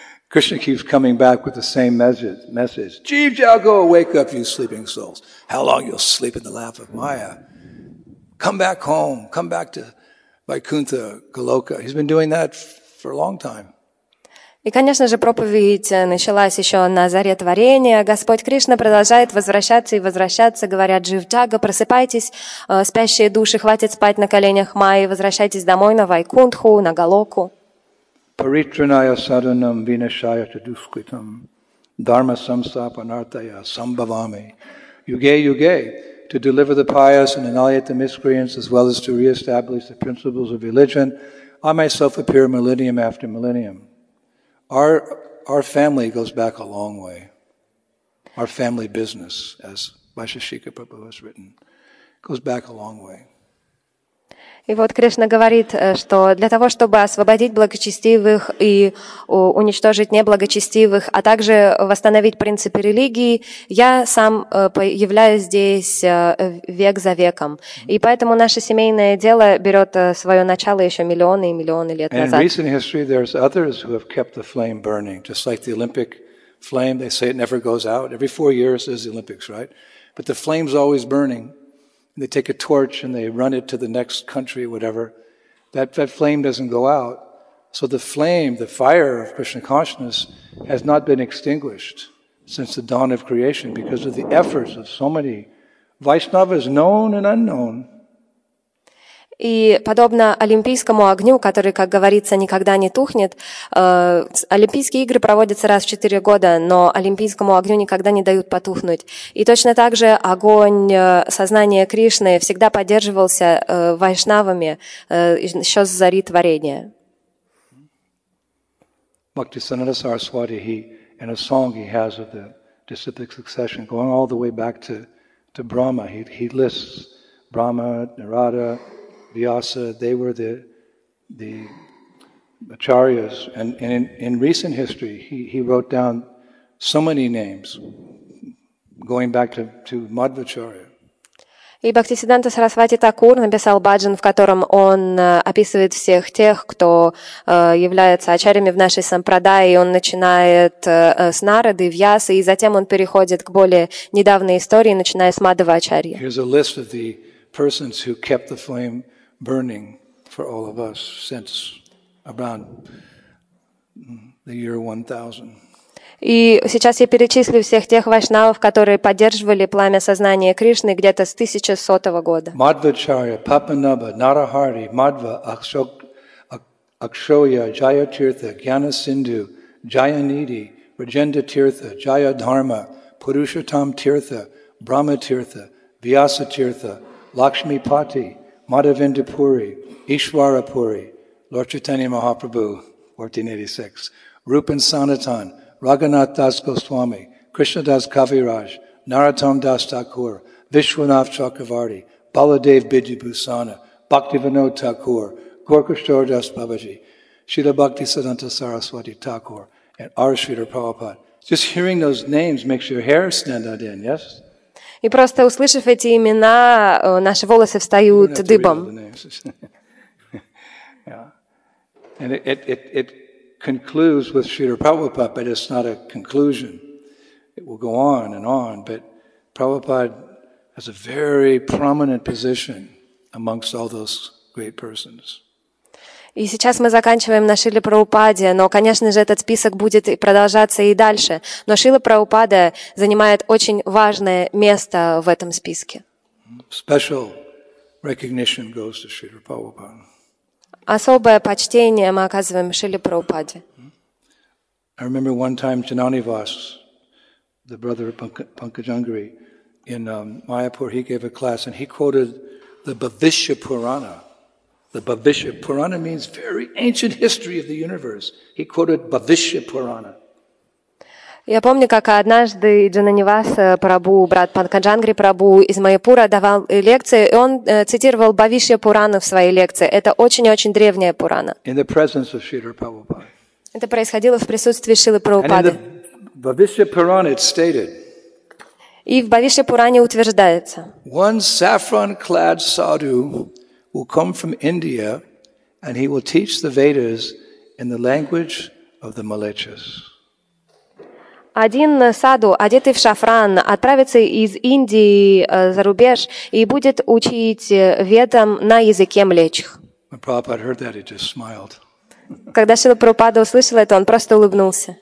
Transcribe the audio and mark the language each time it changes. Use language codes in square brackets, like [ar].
[en] Krishna keeps coming back with the same message. Jeev Jago, wake up, you sleeping souls. How long you'll sleep in the lap of Maya? Come back home. Come back to Vaikuntha Goloka. He's been doing that for a long time. [ru] И, конечно же, проповедь началась еще на заре творения. Господь Кришна продолжает возвращаться и возвращаться, говоря: «Джив Джага, просыпайтесь, спящие души, хватит спать на коленях Майи, возвращайтесь домой на Вайкунтху, на Голоку». [sa] Paritranaya sadhanam vinashaya chaduskritam dharma samsap anartaya sambhavami. Yuge yuge, [en] to deliver the pious and annihilate the miscreants as well as to reestablish the principles of religion, I myself appear millennium after millennium. Our family goes back a long way. Our family business, as Vaisheshika Prabhu has written, goes back a long way. [ru] И вот Кришна говорит, что для того, чтобы освободить благочестивых и уничтожить неблагочестивых, а также восстановить принципы религии, я сам являюсь здесь век за веком. И поэтому наше семейное дело берет свое начало еще миллионы и миллионы лет назад. [en] And in recent history, there's others who have kept the flame burning, just like the Olympic flame. They say it never goes out. Every 4 years is the Olympics, right? But the flame's always burning. They take a torch and they run it to the next country, whatever. That flame doesn't go out. So the flame, the fire of Krishna consciousness, has not been extinguished since the dawn of creation because of the efforts of so many Vaishnavas, known and unknown. [ru] И подобно олимпийскому огню, который, как говорится, никогда не тухнет, олимпийские игры проводятся раз в 4 года, но олимпийскому огню никогда не дают потухнуть. И точно так же огонь сознания Кришны всегда поддерживался вайшнавами еще с зари творения. [en] Bhakti Sanatana Saraswati, in a song he has of the disciplic succession, going all the way back to Brahma, he lists Brahma, Narada, Vyasa, they were the acharyas, and in recent history he wrote down so many names, going back to Madhvacharya. [ru] И Бхактисиддханта Сарасвати Такур написал баджан, в котором он описывает всех тех, кто является ачарьями в нашей сампрадае, и он начинает с Нарады, Вьясы, и затем он переходит к более недавней истории, начиная с Мадхва Ачарьи. [en] Here's a list of the persons who kept the flame burning for all of us since around the year 1000. [ru] И сейчас я перечислю всех тех вайшнавов, которые поддерживали пламя сознания Кришны где-то с 1100 года. [en] Madhvacharya, Papanabha, Narahari, Madhva, Akshoya, Jayatirtha, Gyanasindhu, Jayanidhi, Rajendatirtha, Jayadharma, Purushottam Tirtha, Brahma Tirtha, Vyasa Tirtha, Lakshmipati, Madhavendra Puri, Ishwara Puri, Lord Chaitanya Mahaprabhu, 1486, Rupan Sanatan, Raghunath Das Goswami, Krishna Das Kaviraj, Narottam Das Thakur, Vishwanath Chakravarti, Baladev Biji Bhusana, Bhaktivinod Thakur, Gorkishore Das Babaji, Srila Bhakti Siddhanta Saraswati Thakur, and R. Sridhar Prabhupada. Just hearing those names makes your hair stand on end, yes? [ru] И просто услышав эти имена, наши волосы встают дыбом. [en] And it concludes with Srila Prabhupada, but it's not a conclusion. It will go on and on, but Prabhupada has a very prominent position amongst all those great persons. [ru] И сейчас мы заканчиваем на Шриле Прабхупаде, но, конечно же, этот список будет продолжаться и дальше. Но Шрила Прабхупада занимает очень важное место в этом списке. [en] Special recognition goes to Srila Prabhupada. [ru] Особое почтение мы оказываем Шриле Прабхупаде. [en] I remember one time Janani Vas, the brother of Pankajangari, in Mayapur, he gave a class and he quoted the Bhavishya Purana. The Bhavishya Purana means very ancient history of the universe. He quoted Bhavishya Purana. [ru] Я помню, как однажды Джананиваса Прабу, брат Панкаджангри Прабу из Майяпура, давал лекции, и он цитировал Бхавишья Пурану в своей лекции. Это очень-очень древняя Пурана. [en] In the presence of Sridhar Prabhupada. [ru] Это происходило в присутствии Шрилы Прабхупады. [en] And in the Bhavishya Purana it's stated. [ru] И в Бхавишья Пуране утверждается. [en] One saffron-clad sadhu will come from India and he will teach the Vedas in the language of the Malechas. [ru] Один саду, одетый в шафран, отправится из Индии за рубеж и будет учить ведам на языке млечих. [en] When Prabhupada heard that, he just smiled. [ru] Когда Шрила Прабхупада услышал это, он просто улыбнулся.